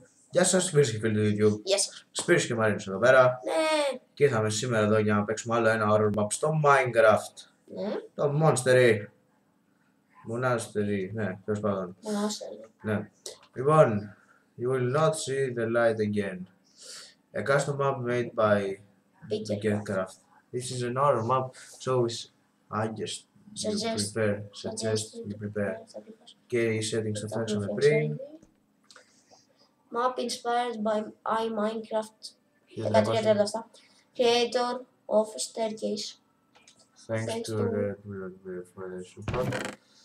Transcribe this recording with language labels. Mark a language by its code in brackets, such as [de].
[el] Γεια σας, φίλες και φίλοι του YouTube. Γεια σας. Σπύρις και Μαρίνος εδώ πέρα. Ναι. Και ήρθαμε σήμερα εδώ για να παίξουμε άλλο ένα horror map στο Minecraft. Ναι. Το Monstery. Μονάστερι, ναι, τέλος πάντων. Μονάστερι. Ναι. [en] Λοιπόν, you will not see the light again. A custom map made by BeginCraft. This is an horror map, so it's suggest you prepare. Suggest you prepare. [el] Και οι settings θα φτιάξαμε πριν. Map inspired by iMinecraft 1337 creator of staircase. Thanks to the Red for the support.